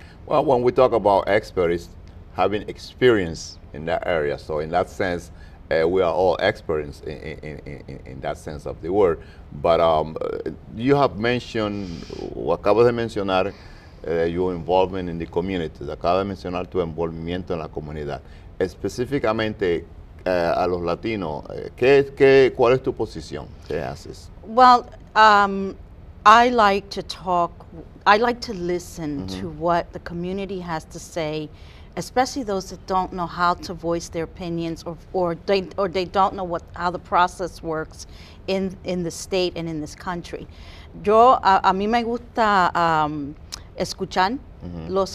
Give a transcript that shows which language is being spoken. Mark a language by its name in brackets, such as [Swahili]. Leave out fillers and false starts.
[English] Well, when we talk about experts, it's having experience in that area. So in that sense, we are all experts in that sense of the word. But you have mentioned, [Spanish] acabas de mencionar, [English] your involvement in the community. [Spanish] Acabas de mencionar tu envolvimiento en la comunidad. Específicamente a los latinos, ¿cuál es tu posición? ¿Qué haces? [English] Well, I like to listen mm-hmm. to what the community has to say, especially those that don't know how to voice their opinions, or they don't know how the process works in the state and in this country. [Spanish] Yo, a mí me gusta escuchar mm-hmm.